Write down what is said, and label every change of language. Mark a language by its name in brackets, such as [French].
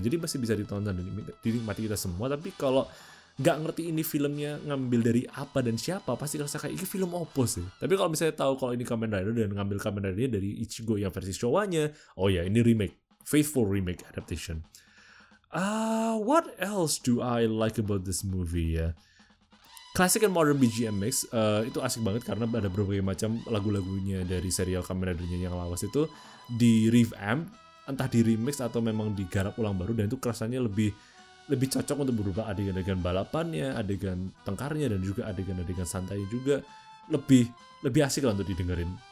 [Indonesian] Jadi masih bisa ditonton dan dinikmati kita semua, tapi kalau enggak ngerti ini filmnya ngambil dari apa dan siapa pasti kerasa kayak ini film opo sih. Tapi kalau misalnya tahu kalau ini Kamen Rider dan ngambil Kamen Rider-nya dari Ichigo yang versi Showa-nya, oh ya ini remake, [English] faithful remake adaptation. What else do I like about this movie? Classic and modern BGM mix, [Indonesian] itu asik banget karena ada berbagai macam lagu-lagunya dari serial Kamen Rider-nya yang lawas itu di revamp, entah di remix atau memang digarap ulang baru, dan itu kerasanya lebih cocok untuk berubah adegan-adegan balapannya, adegan tengkarnya dan juga adegan-adegan santainya juga lebih asik lah untuk didengerin.